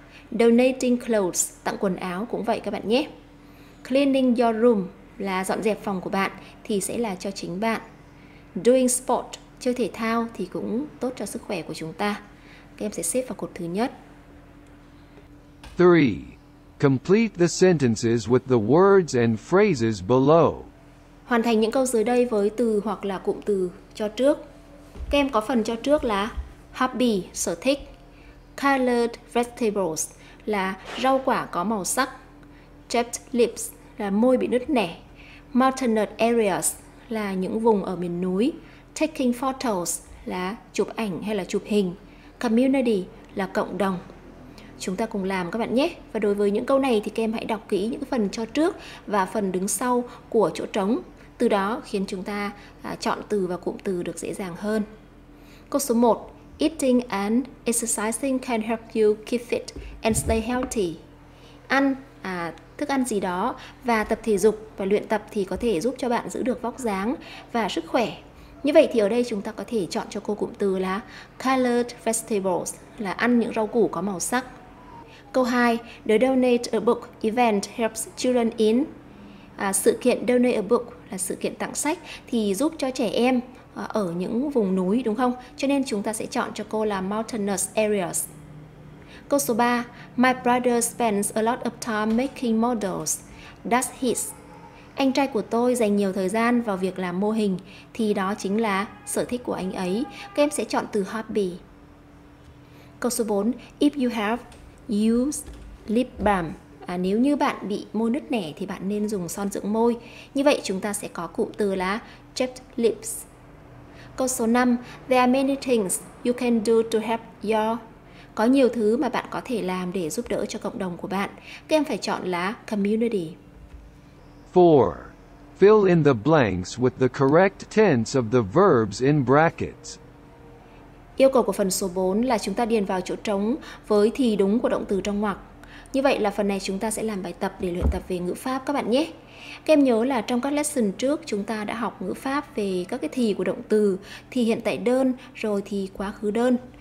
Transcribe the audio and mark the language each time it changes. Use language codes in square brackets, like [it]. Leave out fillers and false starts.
[en] Donating clothes, [vi] tặng quần áo cũng vậy các bạn nhé. [en] Cleaning your room [vi] là dọn dẹp phòng của bạn thì sẽ là cho chính bạn. [en] Doing sport, [vi] chơi thể thao thì cũng tốt cho sức khỏe của chúng ta. Các em sẽ xếp vào cột thứ nhất. 3. [en] Complete the sentences with the words and phrases below. [vi] Hoàn thành những câu dưới đây với từ hoặc là cụm từ cho trước. Các em có phần cho trước là hobby, sở thích. [en] Colored vegetables [vi] là rau quả có màu sắc. [en] Chapped lips [vi] là môi bị nứt nẻ. [en] Mountainous areas [vi] là những vùng ở miền núi. [en] Taking photos [vi] là chụp ảnh hay là chụp hình. Community là cộng đồng. Chúng ta cùng làm các bạn nhé. Và đối với những câu này thì các em hãy đọc kỹ những phần cho trước và phần đứng sau của chỗ trống. Từ đó khiến chúng ta chọn từ và cụm từ được dễ dàng hơn. Câu số 1. [en] Eating and exercising can help you keep fit and stay healthy. [vi] Ăn, thức ăn gì đó và tập thể dục và luyện tập thì có thể giúp cho bạn giữ được vóc dáng và sức khỏe. Như vậy thì ở đây chúng ta có thể chọn cho cô cụm từ là [en] colored vegetables, [vi] là ăn những rau củ có màu sắc. Câu 2. [en] The donate a book event helps children in. [vi] Sự kiện [en] donate a book [vi] là sự kiện tặng sách thì giúp cho trẻ em ở những vùng núi đúng không? Cho nên chúng ta sẽ chọn cho cô là [en] mountainous areas. [vi] Câu số 3. [en] My brother spends a lot of time making models. That's his. [vi] Anh trai của tôi dành nhiều thời gian vào việc làm mô hình thì đó chính là sở thích của anh ấy. Các em sẽ chọn từ hobby. Câu số 4. [en] If you have use lip balm. [vi] Nếu như bạn bị môi nứt nẻ thì bạn nên dùng son dưỡng môi. Như vậy chúng ta sẽ có cụm từ là [en] chapped lips. [vi] Câu số 5. [en] There are many things you can do to help your. [vi] Có nhiều thứ mà bạn có thể làm để giúp đỡ cho cộng đồng của bạn. Các em phải chọn là community. 4. [en] Fill in the blanks with the correct tense of the verbs in brackets. [vi] Yêu cầu của phần số 4 là chúng ta điền vào chỗ trống với thì đúng của động từ trong ngoặc. Như vậy là phần này chúng ta sẽ làm bài tập để luyện tập về ngữ pháp các bạn nhé. Các em nhớ là trong các lesson trước chúng ta đã học ngữ pháp về các cái thì của động từ, thì hiện tại đơn, rồi thì quá khứ đơn.